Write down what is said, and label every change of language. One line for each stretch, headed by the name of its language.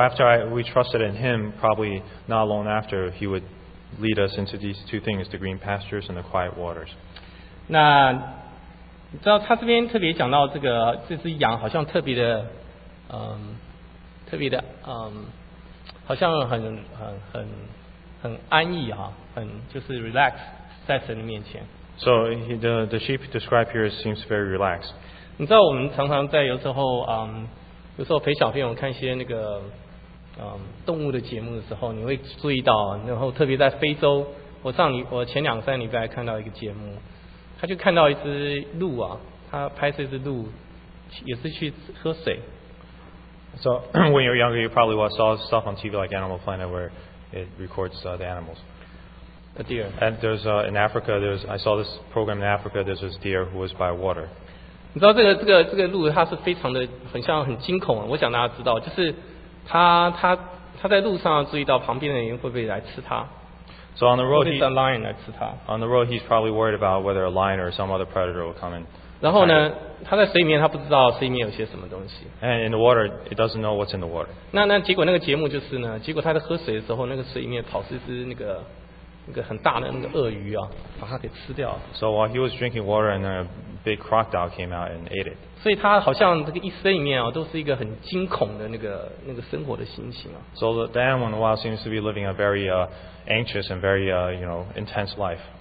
English: after we trusted in Him, probably not long after, He would lead us into these two things, the green pastures and the quiet waters.
Chinese: 那你知道他这边特别讲到这个，这只羊好像特别的，好像很安逸啊，很就是 relax 在神的面前。
English: So the sheep described here seems very relaxed.
Chinese: 你知道我们常常在有时候，有时候陪小朋友看一些那个动物的节目的时候，你会注意到，然后特别在非洲，我前两三礼拜看到一个节目，他就看到一只鹿啊，他拍摄一只鹿，也是去喝水。
English: So when you were younger, you probably saw stuff on TV like Animal Planet where it records the animals. A deer. And there's in Africa, there's I saw this program in Africa. There's this deer who was by water.
Chinese: 你知道这个路它是非常的很像很惊恐，我想大家知道，就是他在路上注意到旁边的人会不会来吃它。
English: So on the road, a lion
Chinese: 来吃它。
English: On the road, he's probably worried about whether a lion or some other predator will come in.
Chinese: 然后呢，他在水里面，他不知道水里面有些什么东西。
English: And in the water, it doesn't know what's in the water.
Chinese: 那结果那个节目就是呢，结果他在喝水的时候，那个水里面跑出一只那个。
English: So while he was drinking water, and then a big crocodile came out and ate it.
Chinese: 所以他好像这个一生里面啊，都是一个很惊恐的那个生活的心情啊。
English: So the animal in the wild seems to be living a very anxious and very you know intense life.